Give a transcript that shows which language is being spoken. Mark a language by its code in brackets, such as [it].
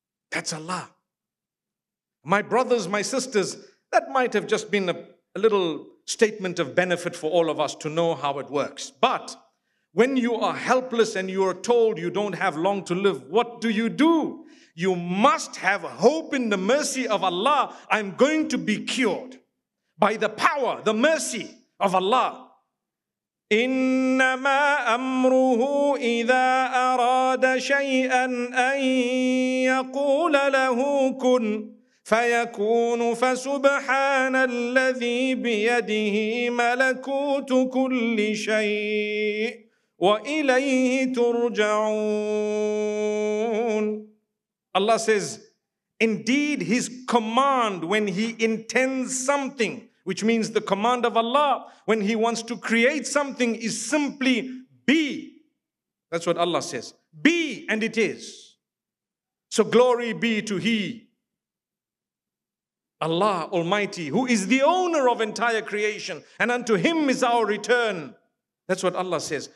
[en] That's Allah. My brothers, my sisters, that might have just been a little statement of benefit for all of us to know how it works. But when you are helpless and you are told you don't have long to live, what do? You must have hope in the mercy of Allah. I'm going to be cured by the power, the mercy of Allah. [ar] إِنَّمَا أَمْرُهُ إِذَا أَرَادَ شَيْئًا أَن يَقُولَ لَهُ كُنْ فيكون فسبحان الذي بيده ملكوت كل شيء وإليه ترجعون. [en] Allah says, indeed, His command when He intends something, which means the command of Allah, when He wants to create something, is simply be. That's what Allah says. Be, and it is. So glory be to He, Allah Almighty, who is the owner of entire creation, and unto Him is our return. That's what Allah says.